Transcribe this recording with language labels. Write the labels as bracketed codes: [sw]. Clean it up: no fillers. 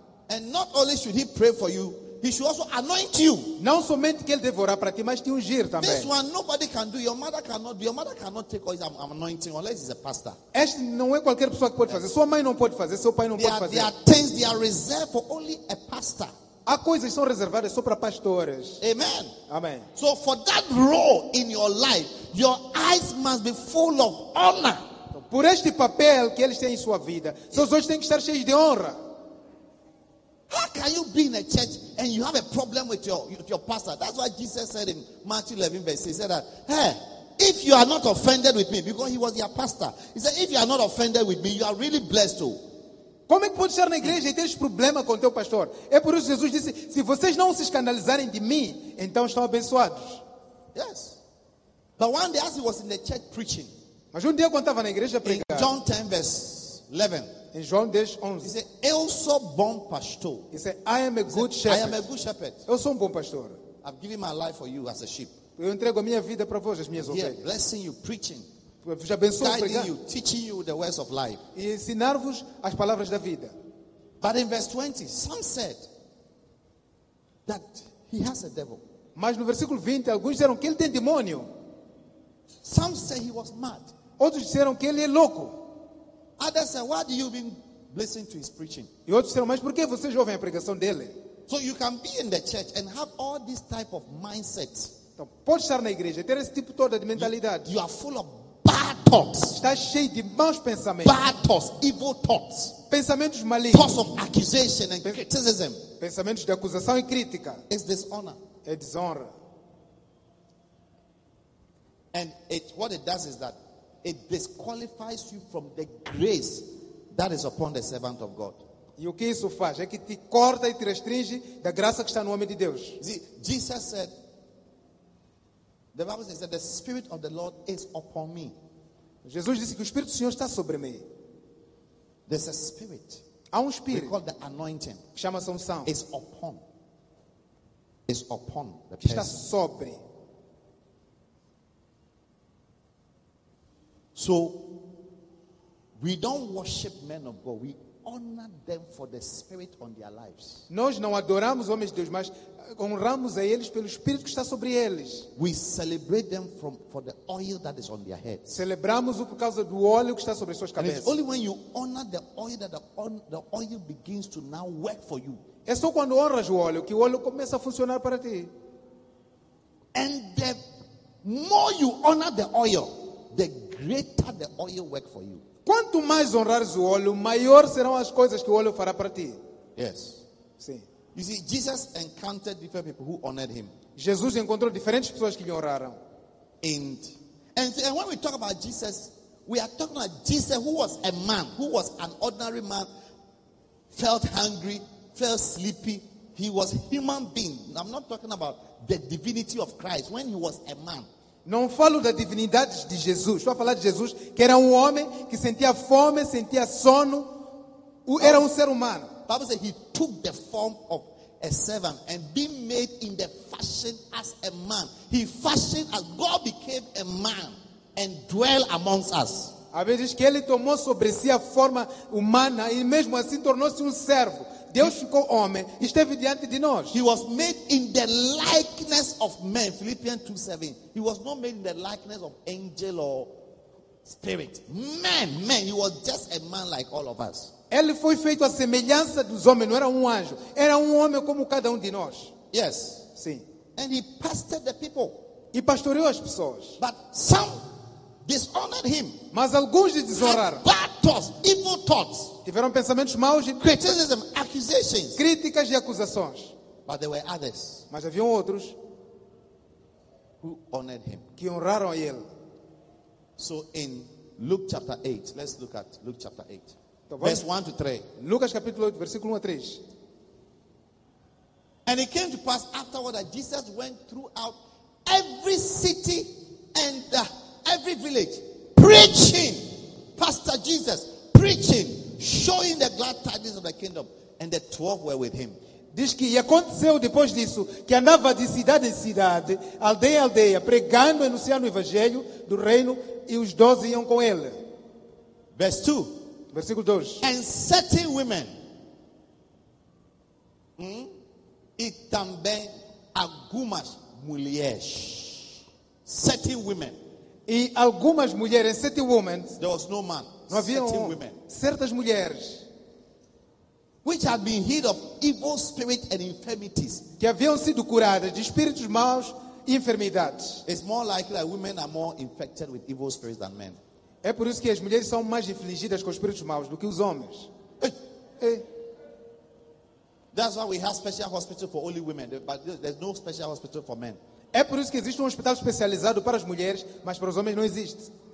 [en] And not only should he pray for you, he should also anoint you. [pt] Não somente que ele deve orar para ti, mas te ungir também. [en] This one nobody can do. Your mother cannot take all this anointing unless he's a pastor. [pt] Este não é qualquer pessoa que pode fazer. Sua mãe não pode fazer, seu pai não pode fazer. [en] There are things that are reserved for only a pastor. [pt] Há coisas que são reservadas só para pastores. [en] Amen. Amen. So for that role in your life, your eyes must be full of honor. [pt] Por este papel que eles têm em sua vida, seus olhos têm que estar cheios de honra. [en] How can you be in a church and you have a problem with your pastor? That's why Jesus said in Matthew 11 verse, he said that, hey, if you are not offended with me, because he was your pastor, he said, if you are not offended with me, you are really blessed too. [pt] Como é que pode estar na igreja e ter esse problema com o teu pastor? É por isso que Jesus disse, se vocês não se escandalizarem de mim, então estão abençoados. [en] Yes. But one day as he was in the church preaching, [pt] mas dia quando estava na igreja pregando, [en] in John 10 verse 11, [pt] em João 10, 11, [en] he said, [pt] eu sou bom pastor. [en] He said, I am a good shepherd. I am a good shepherd. [pt] Eu sou bom pastor. [en] I've given my life for you as a sheep. [pt] Eu entrego a minha vida para vós, as minhas ovelhas. [en] Yeah, blessing you, preaching. Já guiding you, teaching you the words of life. [pt] E ensinar-vos as palavras da vida. [en] But in verse 20, some said that he has a devil. [pt] Mas no versículo 20, alguns disseram que ele tem demônio. [en] Some said he was mad. [pt] Outros disseram que ele é louco. [en] Others said, why do you been listening to his preaching? [pt] E outros disseram, mas por que vocês ouvem a pregação dele? [en] So you can be in the church and have all this type of mindset. [pt] Então, pode estar na igreja, ter esse tipo todo de mentalidade. [en] You are full of bad thoughts. [pt] Está cheio de maus pensamentos. [en] Bad thoughts, evil thoughts. [pt] Pensamentos malignos. [en] Thoughts of accusation and criticism. [pt] Pensamentos de acusação e crítica. [en] It's dishonor. [pt] É desonra. [en] And it, what it does is that it disqualifies you from the grace that is upon the servant of God. [pt] E o que isso faz? É que te corta e te restringe da graça que está no homem de Deus. [en] See, Jesus said, the Bible says that the Spirit of the Lord is upon me. [pt] Jesus disse que o Espírito do Senhor está sobre mim. [en] There's a spirit. [pt] Há espírito. [en] We call the anointing. [pt] Chama-se unção. [en] Is upon. Is upon the [pt] está [en] person. [pt] Está sobre. [en] So we don't worship men of God. We honor them for the spirit on their lives. [pt] Nós não adoramos homens de Deus, mas honramos a eles pelo espírito que está sobre eles. [en] We celebrate them for the oil that is on their heads. [pt] Celebramos o por causa do óleo que está sobre suas cabeças. [en] And it's only when you honor the oil that the oil begins to now work for you. [pt] É só quando honras o óleo que o óleo começa a funcionar para ti. [en] And the more you honor the oil, the greater the oil work for you. [pt] Quanto mais honrares o óleo, maior serão as coisas que o óleo fará para ti. [en] Yes. [pt] Sim. [en] You see, Jesus encountered different people who honored him. [pt] Jesus encontrou diferentes pessoas que lhe honraram. [en] And when we talk about Jesus, we are talking about Jesus who was a man, who was an ordinary man, felt hungry, felt sleepy. He was a human being. I'm not talking about the divinity of Christ when he was a man. [pt] Não falo da divindade de Jesus. Estou a falar de Jesus, que era homem, que sentia fome, sentia sono. Era ser humano. [en] The Bible says he took the form of a servant and being made in the fashion as a man. He fashioned as God became a man and dwell amongst us. [pt] A Bíblia diz que ele tomou sobre si a forma humana e mesmo assim tornou-se servo. Deus ficou homem e esteve diante de nós. [en] He was made in the likeness of men. Philippians 2:7. He was not made in the likeness of angel or spirit. Man. He was just a man like all of us. [pt] Ele foi feito à semelhança dos homens. Não era anjo. Era homem como cada de nós. [en] Yes. [pt] Sim. [en] And he pastored the people. [pt] E pastoreou as pessoas. [en] But some dishonored him. [pt] Mas alguns lhe desonraram. [en] Bad thoughts, evil thoughts. [pt] Tiveram pensamentos maus e [en] criticism, accusations. [pt] Críticas e acusações. [en] But there were others. [pt] Mas haviam outros [en] who honored him. [pt] Que honraram a ele. [en] So in Luke chapter 8, let's look at Luke chapter 8. Verse 1 to 3. [pt] Lucas capítulo 8, versículo 1 a 3. [en] And it came to pass afterward that Jesus went throughout every city and every village, preaching, Pastor Jesus, preaching, showing the glad tidings of the kingdom. And the 12 were with him. [pt] Diz que aconteceu depois disso, que andava de cidade em cidade, aldeia em aldeia, pregando e anunciando o evangelho do reino, e os 12 iam com ele. [en] Verse 2. [pt] Versículo 2. [en] And certain women, [pt] e também algumas mulheres. [en] Certain women. [pt] E algumas mulheres, [en] certain women. There was no man. [pt] Não havia [en] certain women. [pt] Certas mulheres. [en] Which had been healed of evil spirit and infirmities. [pt] Que haviam sido curadas de espíritos maus e enfermidades. [en] It's more likely that women are more infected with evil spirits than men. [pt] É por isso que as mulheres são mais infligidas com espíritos maus do que os homens. [en] That's why we have special hospital for only women, but there's no special hospital for men. [pt] É por isso que existe hospital especializado para as mulheres, mas para os homens não existe.